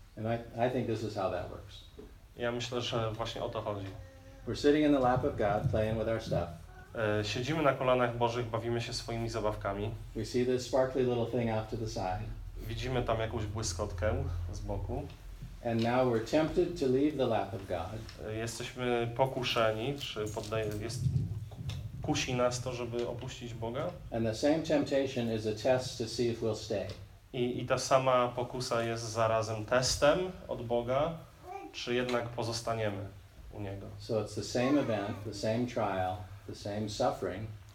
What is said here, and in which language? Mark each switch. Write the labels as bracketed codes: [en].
[en] And I think this is how that works. [pl] Ja myślę, że właśnie o to chodzi. [en] We're sitting in the lap of God, playing with our stuff. [pl] Siedzimy na kolanach Bożych, bawimy się swoimi zabawkami. [en] We see this sparkly little thing off to the side. [pl] Widzimy tam jakąś błyskotkę z boku. [en] And now we're tempted to leave the lap of God. [pl] Jesteśmy pokuszeni, czy kusi nas to, żeby opuścić Boga. [en] And the same temptation is a test to see if we'll stay. [pl] I ta sama pokusa jest zarazem testem od Boga, czy jednak pozostaniemy u Niego. [en] So it's the same event, the same trial, the same suffering.